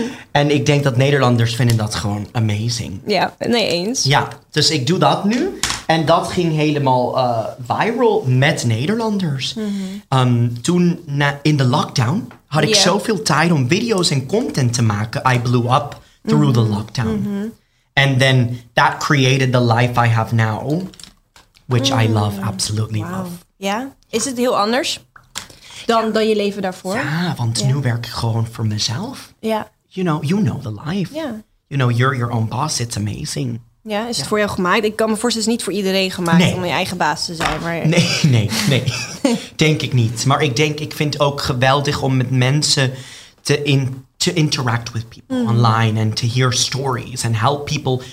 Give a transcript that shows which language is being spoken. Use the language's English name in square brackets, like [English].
[Dutch] En ik denk dat Nederlanders vinden dat gewoon amazing. Ja, nee eens. Ja, dus ik doe dat nu. En dat ging helemaal viral met Nederlanders. Mm-hmm. Toen in de lockdown had ik zoveel tijd om video's en content te maken. [English] I blew up through the lockdown. Mm-hmm. And then that created the life I have now, which I love, absolutely love. [Dutch] Ja? Is het heel anders dan je leven daarvoor? Ja, want nu werk ik gewoon voor mezelf. Ja. [English] You know the life. [Dutch] Ja. [English] You know, you're your own boss. It's amazing. [Dutch] Ja, is het voor jou gemaakt? Ik kan me voorstellen, het is niet voor iedereen gemaakt om je eigen baas te zijn. Maar... Nee. Denk ik niet. Maar ik vind het ook geweldig om met mensen te [English] interact with people online and to hear stories and help people.